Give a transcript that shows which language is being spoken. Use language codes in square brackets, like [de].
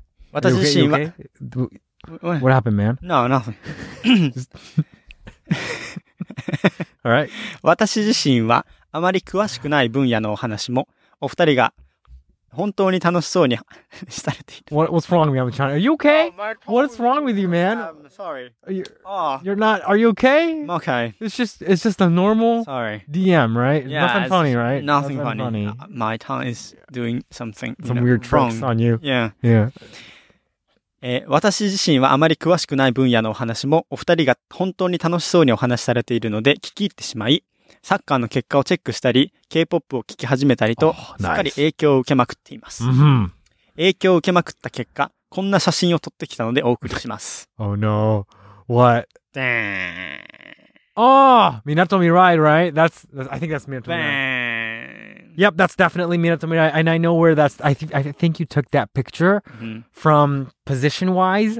[en] What happened, man? No, nothing. Alright. [ja] 私自身は、あまり詳しくない分野のお話も、お二人が、本当に楽しそうにされている。 [en] What's wrong with you, Chan? Are you okay? What's wrong with you, man? Sorry. Are you okay? I'm okay. It's just a normal DM, right? Yeah, nothing funny, right? Nothing funny. My tongue is doing something some weird tricks on you. Yeah. [ja] 私自身はあまり詳しくない分野のお話も、お二人が本当に楽しそうにお話しされているので聞き入ってしまい、サッカーの結果をチェックしたり、K-POP を聞き始めたりと、すっかり影響を受けまくっています。 Mm-hmm. 影響を受けまくった結果、こんな写真を撮ってきたのでお送りします。 [en] Oh no. What? Damn. Oh! みなとみらい, right? I think that's みなとみらい. Yep, that's definitely みなとみらい. And I know where that's... I think you took that picture from position-wise.